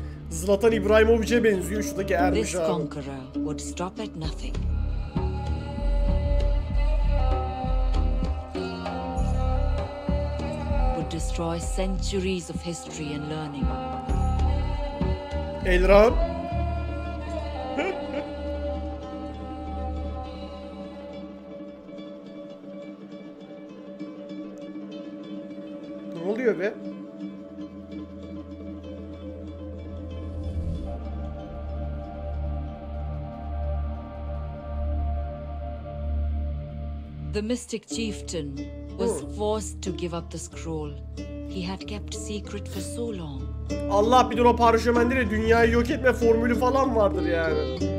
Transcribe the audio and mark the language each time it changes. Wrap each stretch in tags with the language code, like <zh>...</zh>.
<tr>Zlatan İbrahimovic'e benziyor şuradaki Ermiş abi.</tr> <en>This conqueror would stop at nothing. Would destroy centuries of history and learning. Elran. The mystic chieftain was forced to give up the scroll he had kept secret for so long.</en> <tr>Allah bir dolu parşömende de dünyayı yok etme formülü falan vardır yani.</tr>